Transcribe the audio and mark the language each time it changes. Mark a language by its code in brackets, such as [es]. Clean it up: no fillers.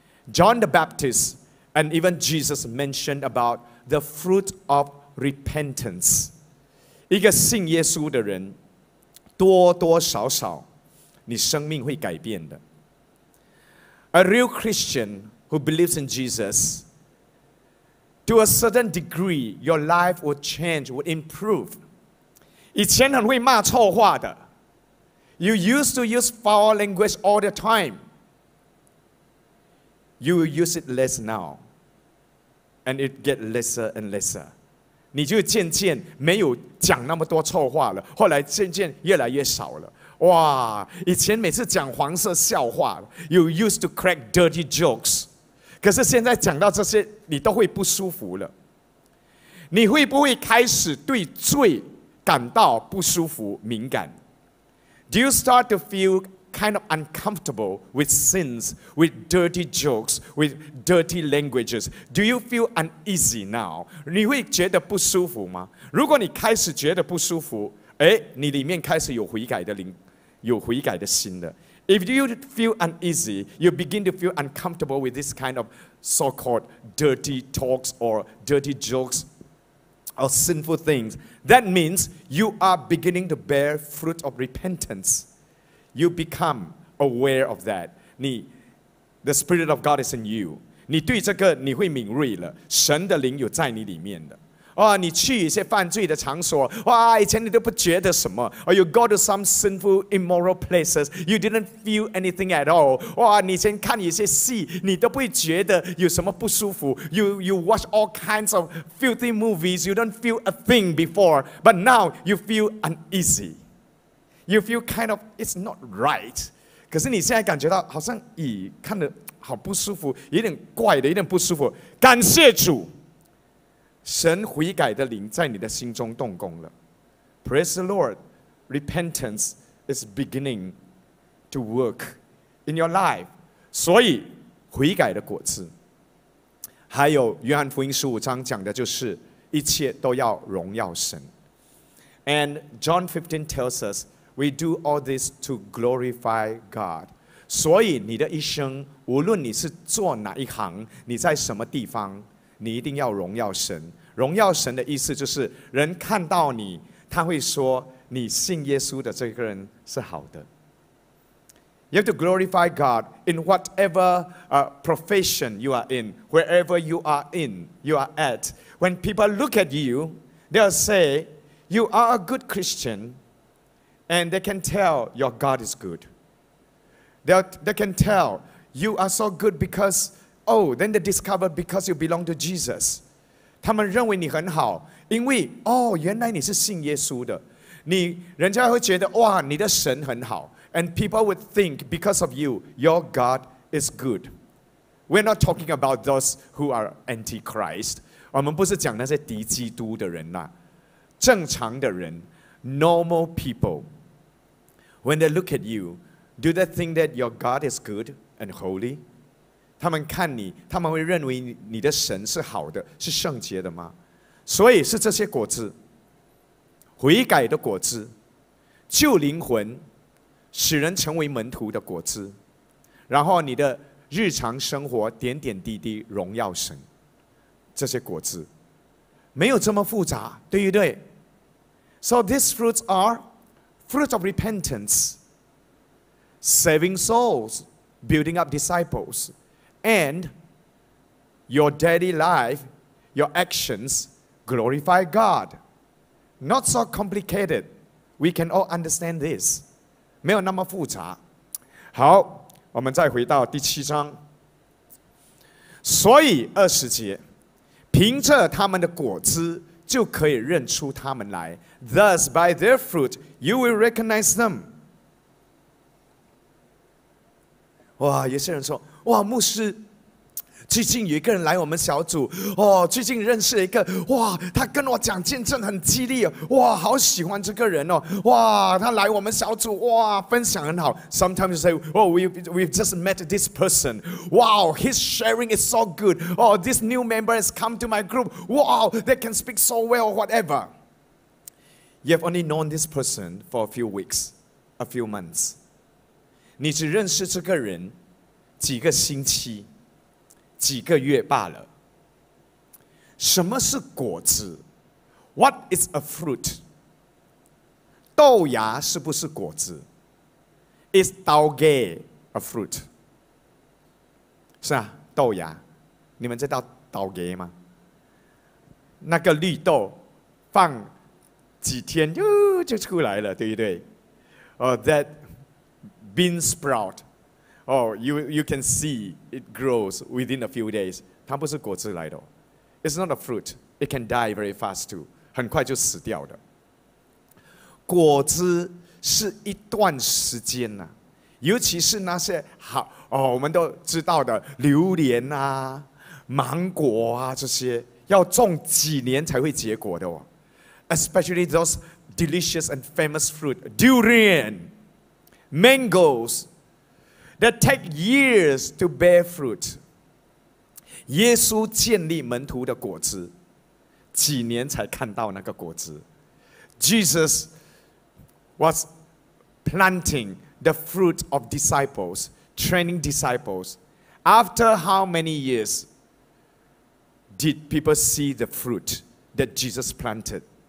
[en] John the Baptist and even Jesus mentioned about the fruit of repentance. [zh] 一个信耶稣的人多多少少你生命会改变的。 [en] A real Christian who believes in Jesus, to a certain degree, your life will change, will improve. [zh] 以前很会骂臭话的。 [en] You used to use foul language all the time. You will use it less now. And it gets lesser and lesser. [zh] 你就渐渐没有讲那么多臭话了，后来渐渐越来越少了。哇，以前每次讲黄色笑话 [en] You used to crack dirty jokes. [zh] 可是现在讲到这些你都会不舒服了。你会不会开始对罪感到不舒服敏感？ [en] Do you start to feel kind of uncomfortable with sins, with dirty jokes, with dirty languages? Do you feel uneasy now? [zh] 你会觉得不舒服吗？如果你开始觉得不舒服，哎，你里面开始有悔改的灵，有悔改的心的。 [en] If you feel uneasy, you begin to feel uncomfortable with this kind of so-called dirty talks or dirty jokes or sinful things, that means you are beginning to bear fruit of repentance. You become aware of that. The Spirit of God is in you. [zh] 你对这个你会敏锐了，神的灵有在你里面的。哦，你去一些犯罪的场所，哇，以前你都不觉得什么。 [en] Or you go to some sinful, immoral places, you didn't feel anything at all. [zh] 哇，你以前看一些戏，你都不会觉得有什么不舒服。 [en] You watch all kinds of filthy movies, you don't feel a thing before. But now you feel uneasy. You feel kind of, it's not right. [zh] 可是你现在感觉到好像，咦，看得好不舒服，有点怪的，有点不舒服。感谢主。神悔改的灵在你的心中动工了， [en] Praise the Lord, repentance is beginning to work in your life. [zh] 所以悔改的果子，还有约翰福音十五章讲的就是一切都要荣耀神。 [en] And John 15 tells us we do all this to glorify God. [zh] 所以你的一生，无论你是做哪一行，你在什么地方，你一定要荣耀神。荣耀神的意思就是人看到你，他会说你信耶稣的这个人是好的。 [en] You have to glorify God in whatever profession you are in, wherever you are in, you are at. When people look at you, they'll say, you are a good Christian, and they can tell your God is good. They can tell you are so good because, oh, then they discover because you belong to Jesus. [zh] 他们认为你很好，因为，哦，原来你是信耶稣的。你，人家会觉得，哇，你的神很好。 [en] And people would think, because of you, your God is good. We're not talking about those who are antichrist. [zh] 我们不是讲那些敌基督的人啦。正常的人, [en] normal people, when they look at you, do they think that your God is good and holy? [zh] 他们看你,他们会认为你的神是好的,是圣洁的吗? 所以是这些果子,悔改的果子,救灵魂,使人成为门徒的果子，然后你的日常生活点点滴滴荣耀神，这些果子没有这么复杂，对不对？ [en] So these fruits are fruits of repentance, saving souls, building up disciples, and your daily life, your actions glorify God. Not so complicated. We can all understand this. [zh] 没有那么复杂。好，我们再回到第七章。所以二十节，凭着他们的果子就可以认出他们来。 [en] Thus by their fruit you will recognize them。 [zh] 哇，有些人说，哇，牧师，最近有一个人来我们小组，哦，最近认识一个，哇，他跟我讲见证很激励，哇，好喜欢这个人哦，哇，他来我们小组，哇，分享很好。 [en] Sometimes you say, oh, we've just met this person. Wow, his sharing is so good. Oh, this new member has come to my group. Wow, they can speak so well, whatever. You have only known this person for a few weeks, a few months. [zh] 你只认识这个人几个星期。几个月罢了。什么是果子？ [en] What is a fruit? [zh] 豆芽是不是果子？ [en] Is 豆芽 a fruit? [zh] 是啊，豆芽。你们知道豆芽吗？那个绿豆放几天就出来了，对不对？ [en] That bean sprout. Oh, you can see it grows within a few days. [zh] 它不是果子来的。 [en] It's not a fruit. It can die very fast too. [zh] 很快就死掉的。果子是一段时间啊，尤其是那些好，哦，我们都知道的榴莲啊、芒果啊，这些要种几年才会结果的哦。 [en] Especially those delicious and famous fruit. Durian, mangoes,That take years to bear fruit. [zh] 耶稣建立门徒的果子，几年才看到那个果子。 [en] Jesus was planting the fruit of disciples, training disciples. After how many years did people see the fruit that Jesus planted?